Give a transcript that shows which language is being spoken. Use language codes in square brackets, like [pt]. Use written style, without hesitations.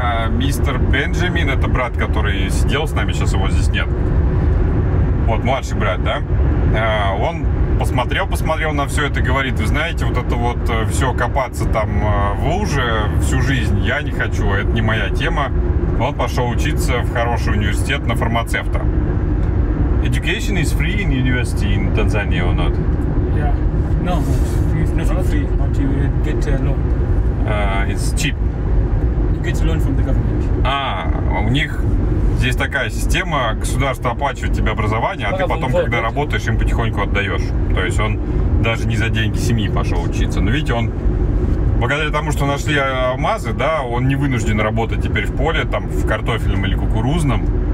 [ru] Мистер Бенджамин, это брат, который сидел с нами, сейчас его здесь нет. Вот, младший брат, да? Он посмотрел на все это и говорит: вы знаете, вот это вот все копаться там в луже всю жизнь я не хочу, это не моя тема. Он пошел учиться в хороший университет на фармацевта. [en] Education is free in university in Tanzania or not? Yeah. No, it's nothing free, but you get a loan. It's cheap. You get a loan from the government. [ru] А, у них здесь такая система, государство оплачивает тебе образование, а ты потом, когда работаешь, им потихоньку отдаешь. То есть он даже не за деньги семьи пошел учиться. Но видите, он, благодаря тому, что нашли алмазы, да, он не вынужден работать теперь в поле, там, в картофельном или кукурузном.